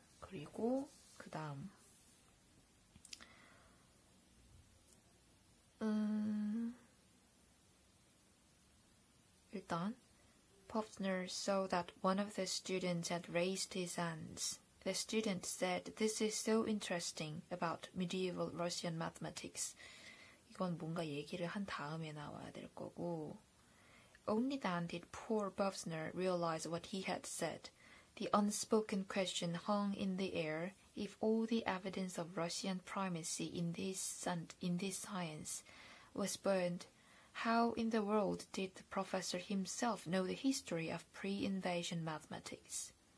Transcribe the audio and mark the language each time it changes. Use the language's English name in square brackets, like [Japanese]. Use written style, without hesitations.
[Korean] 그리고 그다음 일단 [English] Popner saw that one of the students had raised his hands. The student said, "This is so interesting about medieval Russian mathematics." [Korean] 이건 뭔가 얘기를 한 다음에 나와야 될 거고. [English] Only then did poor Bovsner realize what he had said. The unspoken question hung in the air if all the evidence of Russian primacy in this science was burned. How in the world did the professor himself know the history of pre-invasion mathematics?